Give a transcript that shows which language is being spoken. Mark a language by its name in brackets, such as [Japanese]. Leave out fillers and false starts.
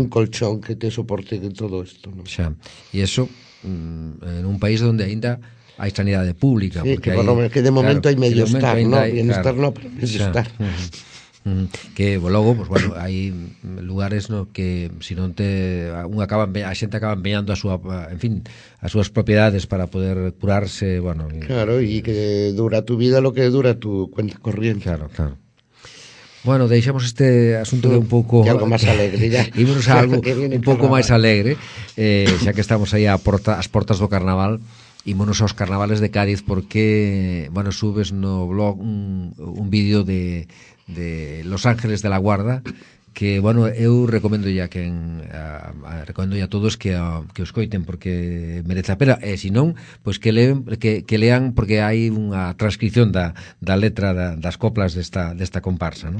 [Spanish] un colchón que te soporte de todo esto, ¿no? O sea, y eso... en un país donde ainda hay sanidad pública. Sí, que, bueno, que de momento claro, hay medio momento estar, ¿no? Hay, bienestar claro, no, pero medio sea, estar. Que bueno, luego, pues bueno, hay lugares no que si no te... [Galician] a xente acaba empeñando a súas propiedades para poder curarse, bueno... [Spanish] Claro, y que dura tu vida lo que dura tu cuenta corriente. [Galician] Claro, claro. Bueno, deixamos este asunto de un pouco... De algo máis alegre, ya. Ímonos a algo un pouco máis alegre, xa que estamos aí as portas do carnaval, ímonos aos carnavales de Cádiz, porque, bueno, subes no blog un vídeo de Los Ángeles de la Guarda, que, bueno, eu recomendo ya a todos que os coiten, porque merece a pena, e se non, pois que lean, porque hai unha transcripción da letra das coplas desta comparsa, ¿no?